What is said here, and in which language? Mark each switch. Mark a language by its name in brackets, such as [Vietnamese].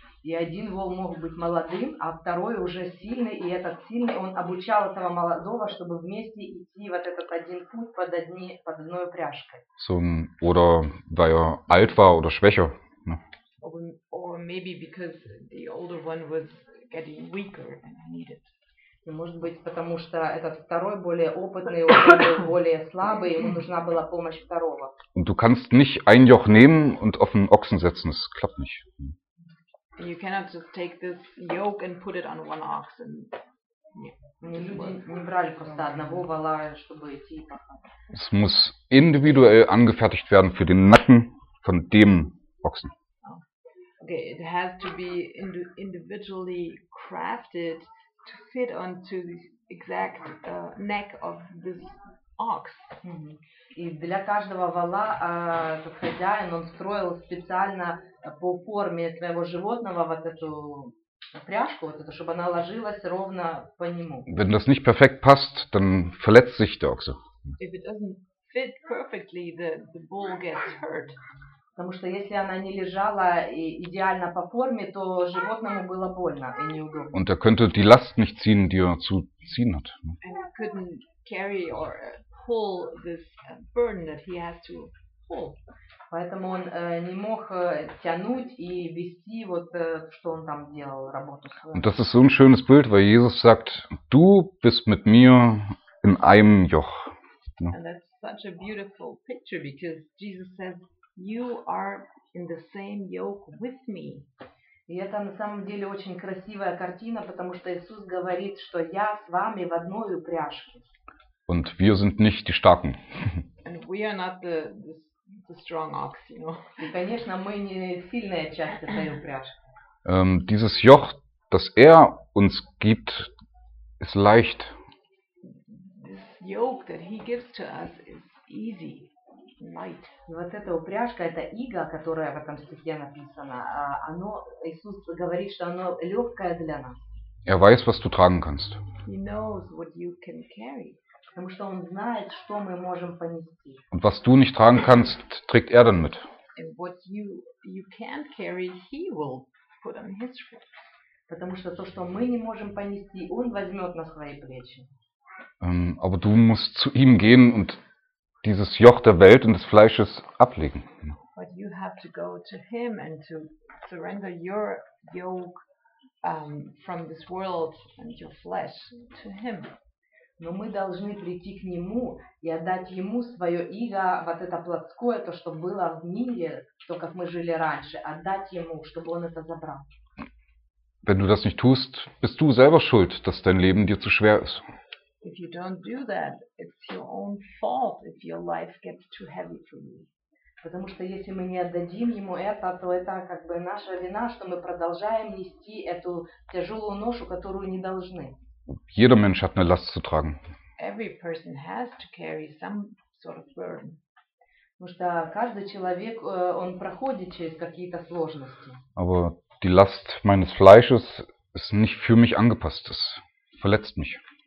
[Russian] И один вол мог быть молодым, а второй уже сильный, и этот сильный, он обучал этого молодого, чтобы вместе идти вот этот один путь под одни, под одной упряжкой. [German] So, oder weil er alt war oder schwächer. Ne? [English] Or maybe because the older one was getting weaker and needed. [Russian] Может быть, потому что этот второй более опытный, он был более слабый, ему нужна была помощь второго. [German] Und du kannst nicht ein Joch nehmen und auf einen Ochsen setzen, das klappt nicht. [English] You cannot just take this yoke and put it on one ox. And... Yeah. [Russian] Люди не брали просто одного вола, чтобы идти. [German] Es muss individuell angefertigt werden für den Nacken von dem Ochsen. [English] Okay, it has to be individually crafted to fit onto the exact neck of this ox. Mm-hmm. [Russian] И для каждого вола этот хозяин, он строил специально по форме своего животного вот эту пряжку, вот это, чтобы она ложилась ровно по нему. [German] Wenn das nicht perfekt passt, dann verletzt sich der Ochse. [English] If it doesn't fit perfectly, the bull gets hurt. [Russian] Потому что если она не лежала и идеально по форме, то животному было больно и неудобно. [German] Und er könnte die Last nicht ziehen, die er zu ziehen hat. [English] And he couldn't carry or pull this burden that he has to pull. [Russian] Поэтому он не мог тянуть и вести вот что он там делал, работу свою. [German] Und das ist so ein schönes Bild, weil Jesus sagt, du bist mit mir in einem Joch. [English] And that's such a beautiful picture because Jesus says, "You are in the same yoke with me." [Russian] И это на самом деле очень красивая картина, потому что Иисус говорит, что я с вами в одной упряжке. [German] Und wir sind nicht die Starken. [English] And we are not the strong ox, you know. [Russian] И, конечно, мы не сильная часть этой упряжки. [German] Dieses Joch, das uns gibt, ist leicht. [English] This yoke that he gives to us is easy. Light. [Russian] И вот эта упряжка, это иго, которое в этом стихе написано, оно, Иисус говорит, что оно легкое для нас. [German] Weiß, was du tragen kannst. [English] He knows what you can carry. [Russian] Потому что он знает, что мы можем понести. [German] Und was du nicht tragen kannst, trägt dann mit. [English] And what you can't carry, he will put on his shoulders. [Russian] Потому что то, что мы не можем понести, он возьмет на свои плечи. [German] Aber du musst zu ihm gehen und dieses Joch der Welt und des Fleisches ablegen. [English] But you have to go to him and to surrender your yoke from this world and your flesh to him. [Russian] Но мы должны прийти к нему и отдать ему свое иго, вот это плотское, то, что было в мире, то, как мы жили раньше, отдать ему, чтобы он это забрал. [German] Wenn du das nicht tust, bist du selber schuld, dass dein Leben dir zu schwer ist. [English] If you don't do that, it's your own fault if your life gets too heavy for you. [Russian] Потому что если мы не отдадим ему это, то это как бы наша вина, что мы продолжаем нести эту тяжелую ношу, которую не должны. [German] Jeder Mensch hat eine Last zu tragen. [English] Every person has to carry some sort of burden. [Russian] Потому что каждый человек, он проходит через какие-то сложности. [German] Aber die Last meines Fleisches ist nicht für mich angepasst, es verletzt mich.